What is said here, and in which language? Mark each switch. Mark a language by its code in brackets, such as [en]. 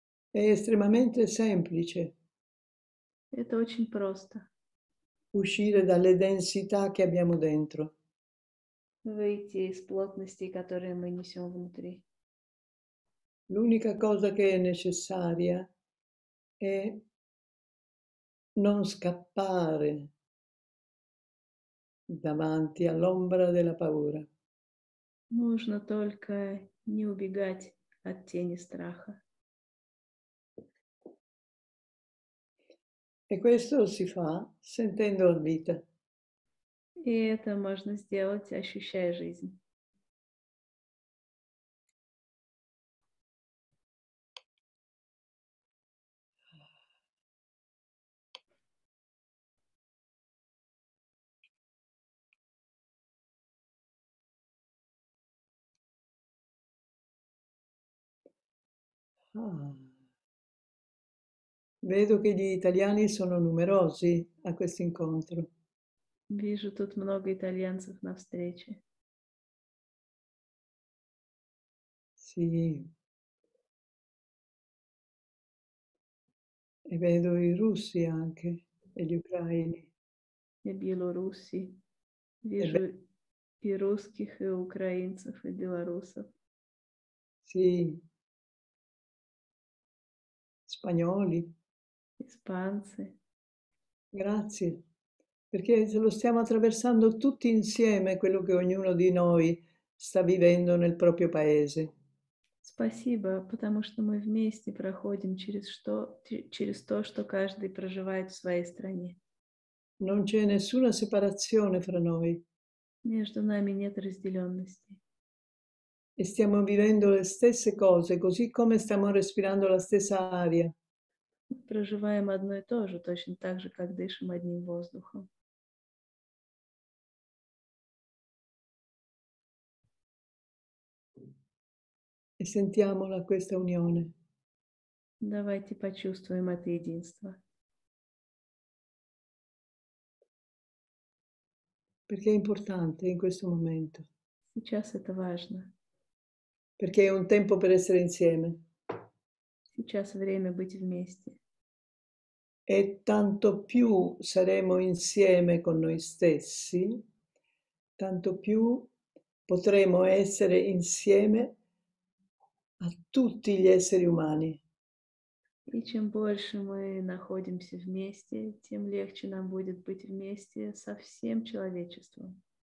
[it] È estremamente semplice. [ru] Это очень просто. [it] Uscire dalle densità che abbiamo dentro. [ru] Выйти из плотности, которые мы несем внутри. [it] L'unica cosa che è necessaria è non scappare davanti all'ombra della paura. [ru] Нужно только не убегать от тени страха. [it] E questo si fa sentendo la vita. [ru] И это можно сделать, ощущая жизнь. [it] Vedo che gli italiani sono numerosi a questo incontro. [ru] Вижу тут много итальянцев на встрече. [it] Sì. E vedo i russi anche, e gli ucraini. [ru] И белорусы. Вижу и русских, и украинцев, и белорусов. [it] Sì. Spagnoli. [ru] Испанцы. [it] Grazie, perché lo stiamo attraversando tutti insieme, quello che ognuno di noi sta vivendo nel proprio paese. [ru] Спасибо, потому что мы вместе проходим через то, что каждый проживает в своей стране. [it] Non c'è nessuna separazione fra noi. E [ru] Между нами нет разделенности. [it] stiamo vivendo le stesse cose, così come stiamo respirando la stessa aria. [ru] Проживаем одно и то же, точно так же, как дышим одним воздухом. [it] Sentiamola questa unione. [ru] Давайте почувствуем это единство. [it] Perché è importante in questo momento. [ru] Сейчас это важно. [it] Perché è un tempo per essere insieme. [ru] Сейчас время быть вместе. [it] E tanto più saremo insieme con noi stessi, tanto più potremo essere insieme a tutti gli esseri umani. [ru] И чем больше мы находимся вместе, тем легче нам будет быть вместе со всем человечеством.